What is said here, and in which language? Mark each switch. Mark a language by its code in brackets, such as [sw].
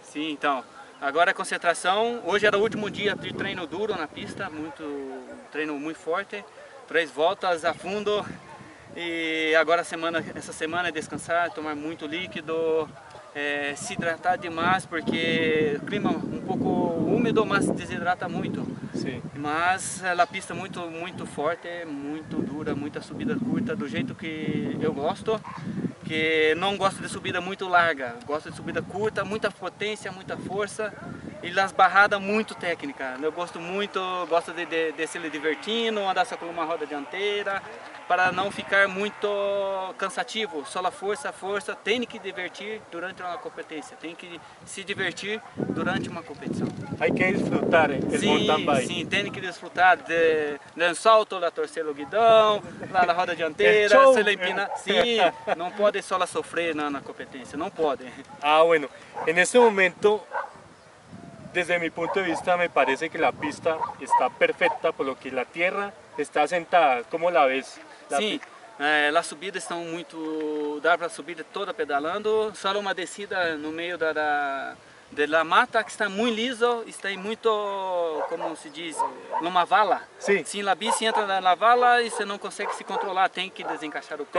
[es] Sí, entonces, ahora concentración. Hoy era el último día de [pt] treino duro [es] en la pista, [pt] treino muy fuerte, [es] tres vueltas a fondo. Y ahora esta semana es descansar, tomar mucho líquido, [pt] se hidratar demais, [es] porque el clima un poco húmedo, mas deshidrata mucho. Sí. [pt] Mas a pista muito muito forte, muito dura, muita subida curta, do jeito que eu gosto, que não gosto de subida muito larga, gosto de subida curta, muita potência, muita força e nas barradas muito técnica. Eu gosto muito, gosto de descer divertindo, andar só com uma roda dianteira, para não ficar muito cansativo, só a força, tem que divertir durante uma competência, tem que se divertir durante uma competição. Aí quer desfrutar, hein? Sim, sim, tem que desfrutar de um salto, de torcer o guidão, na roda dianteira, se empina. Sim, não pode só sofrer na competência, não pode. [es] Ah, bueno, en este momento, desde mi punto de vista, me parece que la pista está perfecta, por lo que la tierra está sentada. ¿Cómo la ves? [pt] Sim, a subida está muito. Dá para a subida toda pedalando, só uma descida no meio da mata que está muito liso, está muito, como se diz, numa vala. Sim. Sim, a bici entra na vala e você não consegue se controlar, tem que desencaixar o pé.